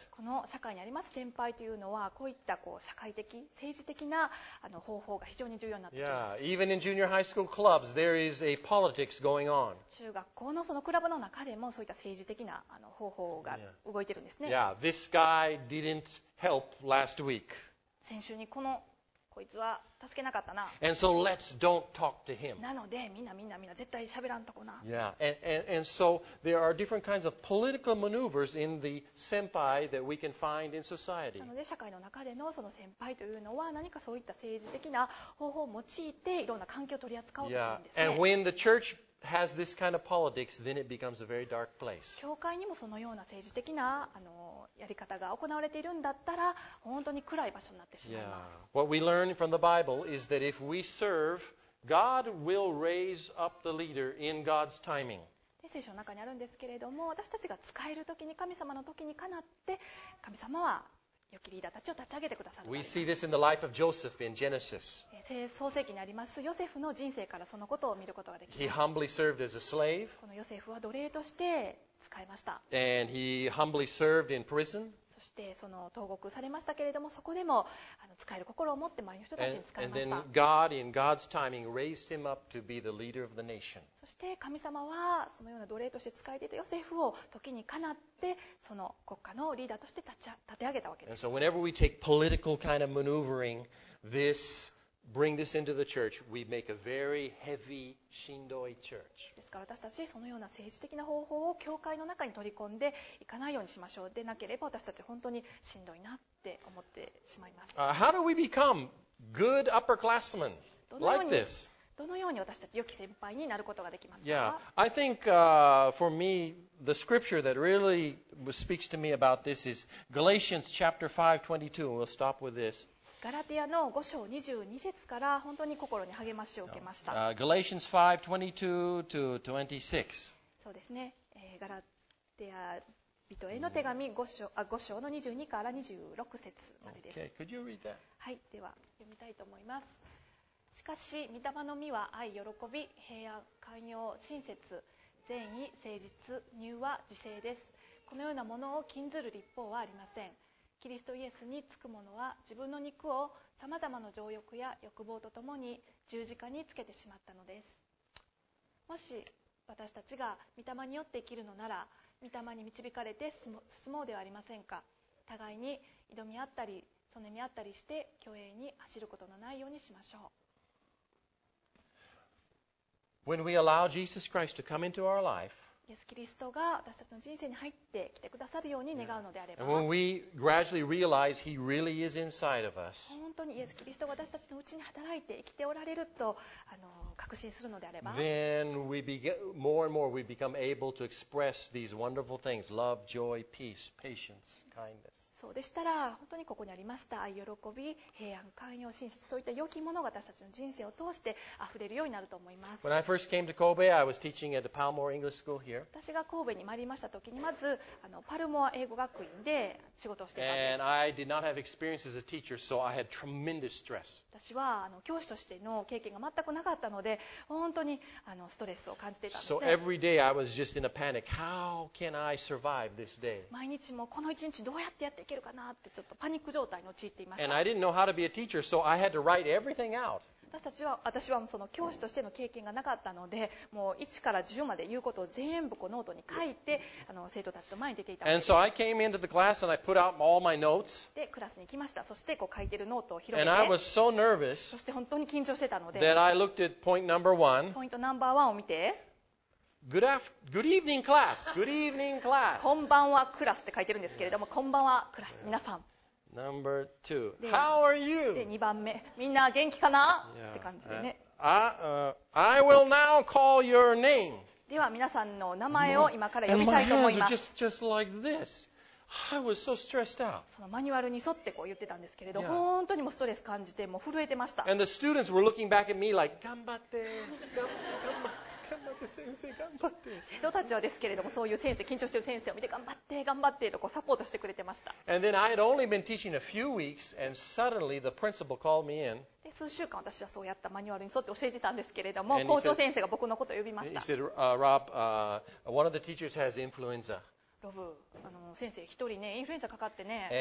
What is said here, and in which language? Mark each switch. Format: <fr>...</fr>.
<ja>この社会にあります先輩というのは、こういったこう社会的、政治的な方法が非常に重要になってきます。</ja> <en>Yeah, even in junior high school clubs, there is a politics going on.</en> <ja>中学校のそのクラブの中でもそういった政治的な方法が動いてるんですね。</ja> <en>Yeah, this guy didn't help last week.</en> <ja>先週にこのこいつは助けなかったな。</ja> <en>And so let's don't talk to him.</en> <ja>なのでみんな絶対喋らんとこな。</ja> <en>Yeah, and so there are different kinds of political maneuvers in the senpai that we can find in society.</en> <ja>なので社会の中でのその先輩というのは何かそういった政治的な方法を用いていろんな環境を取り扱おうとするんですね。</ja> <en>Yeah, and when the church has this kind of politics, then it becomes a very dark place.</en> <ja>教会にもそのような政治的なやり方が行われているんだったら、本当に暗い場所になってしまいます。</ja> <en>Yeah. What we learn from the Bible is that if we serve, God will raise up the leader in God's timing.</en> <ja>聖書の中にあるんですけれども、私たちが使える時に神様の時にかなって、神様は良きリーダーたちを立ち上げてくださる。</ja> <en>We see this in the life of Joseph in Genesis.</en> <ja>創世記にありますヨセフの人生からそのことを見ることができます。</ja> <en>He humbly served as a slave.</en> <ja>このヨセフは奴隷として使いました。</ja> <en>And he humbly served in prison.</en> <ja>そしてその投獄されましたけれども、そこでも使える心を持って周りの人たちに使いました。</ja> <en>And then God, in God's timing, raised him up to be the leader of the nation.</en> <ja>そして神様はそのような奴隷として使えていたヨセフを時にかなってでその国家のリーダーとして立て上げたわけです。</ja> <en>And so whenever we take political kind of maneuvering, this, bring this into the church, we make a very heavy,</en> <ja>しんどい</ja> <en>church.</en> <ja>ですから私たちそのような政治的な方法を教会の中に取り込んでいかないようにしましょう。でなければ私たち本当にしんどいなって思ってしまいます。</ja> <en>How do we become good upperclassmen like this?</en> <ja>どのように私たち良き先輩になることができますか?</ja> <en>Yeah, I think for me, the scripture that really speaks to me about this is Galatians chapter 5:22. We'll stop with this.</en> <ja>ガラティアの5章22節から本当に心に励ましを受けました。</ja> <en>Galatians 5:22 to 26.</en> <ja>そうですね。ガラティア人への手紙5章の22から26節までです。</ja> <en>Okay, could you read that?</en> <ja>はい、では読みたいと思います。しかし御霊の実は愛、喜び、平安、寛容、親切、善意、誠実、柔和、自制です。このようなものを禁ずる律法はありません。キリストイエスにつく者は自分の肉をさまざまな情欲や欲望とともに十字架につけてしまったのです。もし私たちが御霊によって生きるのなら、御霊に導かれて進もうではありませんか。互いに挑み合ったりそねみ合ったりして虚栄に走ることのないようにしましょう。</ja> <en>When we allow Jesus Christ to come into our life,</en> <ja>イエス・キリストが私たちの人生に入ってきてくださるように願うのであれば、</ja> <en>and when we gradually realize He really is inside of us,</en> <ja>本当にイエス・キリストが私たちのうちに働いて生きておられると確信するのであれば、</ja> <en>then we begin more and more we become able to express these wonderful things: love, joy, peace, patience, kindness.</en> <ja>そうでしたら本当にここにありました愛、喜び、平安、寛容、親切、そういった良きものが私たちの人生を通して溢れるようになると思います。</ja> <en>When I first came to Kobe, I was teaching at the Palmore English School here.</en> <ja>私が神戸に参りました時にまずパルモア英語学院で仕事をしていたんです。</ja> <en>And I did not have experience as a teacher, so I had tremendous stress.</en> <ja>私は教師としての経験が全くなかったので本当にストレスを感じていたんですね。</ja> <en>So every day I was just in a panic. How can I survive this day?</en> <ja>毎日もこの一日どうやってやっていけるかなってちょっとパニック状態に陥っていました。</ja> <en>And I didn't know how to be a teacher, so I had to write everything out.</en> <ja>私はその教師としての経験がなかったのでもう1から10まで言うことを全部こうノートに書いて生徒たちの前に出ていたわけです。</ja> <en>And so I came into the class and I put out all my notes.</en> <ja>でクラスに来ました。そしてこう書いてるノートを広げて</ja> <en>And I was so nervous.</en> <ja>そして本当に緊張してたので</ja> <en>That I looked at point number one.</en> <ja>ポイントナンバーワンを見て</ja> <en>Good evening class. Good evening class.</en> <ja>こんばんはクラスって書いてるんですけれども、こんばんはクラス皆さん。</ja> <en>Number two. How are you?</en> <ja>で2番目、みんな元気かな、yeah. って感じでね。</ja> <en>I will now call your name.</en> <ja>では皆さんの名前を今から呼びたいと思います。</ja> <en>And my hands are just like this. I was so stressed out.</en> <ja>そのマニュアルに沿ってこう言ってたんですけれど、yeah. 本当にもうストレス感じてもう震えてました。</ja> <en>And the students were looking back at me like,</en> <ja>頑張って、頑張って先生。生徒たちはですけれども、そういう先生、緊張している先生を見て、頑張って、頑張ってとこうサポートしてくれてました。</ja> <en>And then I had only been teaching a few weeks, and suddenly the principal called me in.</en> <ja>で数週間私はそうやったマニュアルに沿って教えてたんですけれども、校長先生が僕のことを呼びました。</ja> <en>He said, Rob, one of the teachers has influenza.</en> <ja>ロブ、先生一人ね、インフルエンザかかってね。</ja>